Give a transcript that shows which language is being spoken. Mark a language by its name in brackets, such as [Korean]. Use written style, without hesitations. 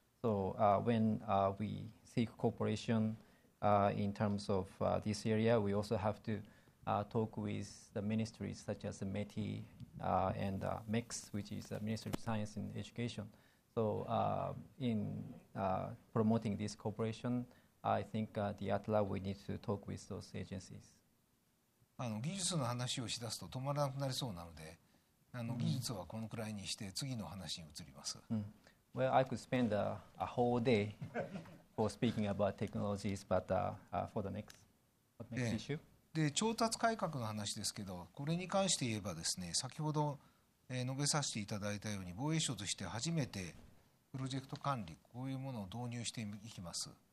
[English] So when we seek cooperation in terms of this area, we also have to talk with the ministries such as the METI and MEX, which is the Ministry of Science and Education. So in promoting this cooperation, I think the ATLA, we need to talk with those agencies. [Japanese] 技術の話をしだすと止まらなくなりそうなので、技術はこのくらいにして次の話に移ります。 Mm. [English] Well, I could spend a whole day for speaking about technologies, but for the next issue. [Japanese] で、調達改革の話ですけど、これに関して言えばですね、先ほど述べさせていただいたように、防衛省として初めてプロジェクト管理、こういうものを導入していきます。